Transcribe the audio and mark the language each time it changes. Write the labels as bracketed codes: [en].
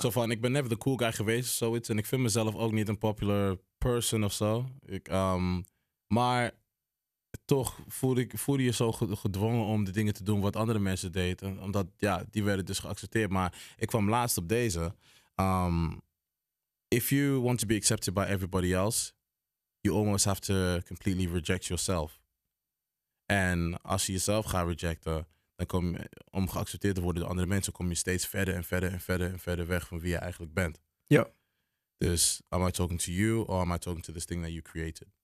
[nl] Zo van, ik ben [en] never the cool guy [nl] geweest, zoiets. En ik vind mezelf ook niet een [en] popular person [nl] of zo. Maar toch voelde je zo gedwongen om de dingen te doen wat andere mensen deden. Omdat, die werden dus geaccepteerd. Maar ik kwam laatst op deze. [en] If you want to be accepted by everybody else, you almost have to completely reject yourself. [nl] En als je jezelf gaat rejecten, dan kom je, om geaccepteerd te worden door andere mensen, kom je steeds verder en verder en verder en verder weg van wie je eigenlijk bent. Ja. [en] Dus, am I talking to you or am I talking to this thing that you created?